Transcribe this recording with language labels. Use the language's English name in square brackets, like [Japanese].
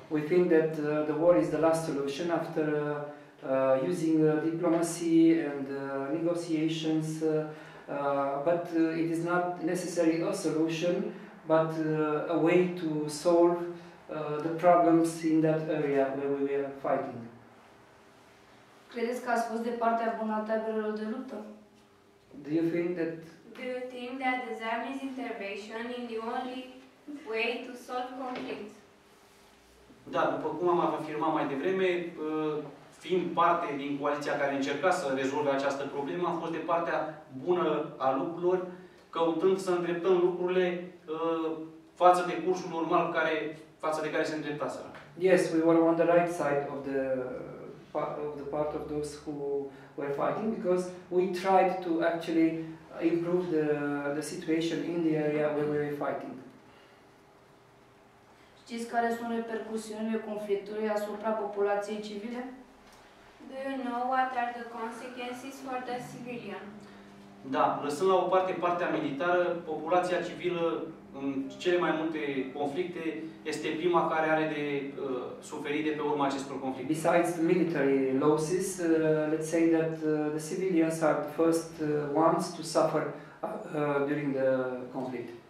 [English] We think that the war is the last solution after using diplomacy and negotiations, but it is not necessarily a solution, but a way to solve the problems in that area where we were fighting. [Romanian] Credeți că ați fost de partea bună a taberelor de luptă? [English] Do you think that the Zami's intervention is the only way to solve conflict? [Romanian] Da, după cum am afirmat mai devreme, fiind parte din coaliția care încerca să rezolve această problemă, am fost de partea bună a lucrurilor, căutând să îndreptăm lucrurile față de cursul normal care față de care se îndreptaseră. [English] Yes, we were on the right side of the part of those who were fighting, because we tried to actually improve the situation in the area where we were fighting. [Romanian] Știți care sunt repercusiunile conflictului asupra populației civile? [English] Do you know what are the consequences for the civilian? [Romanian] Da, lăsând la o parte partea militară, populația civilă în cele mai multe conflicte este prima care are de suferit de pe urma acestor conflicte. [English] Besides the military losses, let's say that the civilians are the first ones to suffer during the conflict.